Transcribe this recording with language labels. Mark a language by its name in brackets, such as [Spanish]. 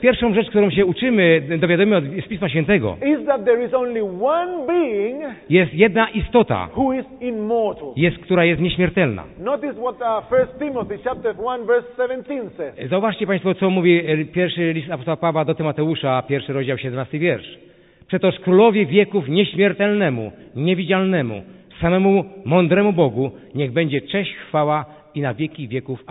[Polish] Pierwszą rzecz, którą się uczymy, dowiadujemy z Pisma Świętego. [English] Is that there is only one being. [Polish] Jest jedna istota. [English] Who is immortal. [Polish] Jest, która jest nieśmiertelna. [English] Notice what 1 Timothy chapter 1 verse 17 says. [Polish] Zauważcie Państwo, co mówi pierwszy list apostoła Pawła do Tymoteusza, pierwszy rozdział 17 wiersz. Przetoż królowi wieków nieśmiertelnemu, niewidzialnemu, samemu mądremu Bogu, niech będzie cześć, chwała i na wieki wieków.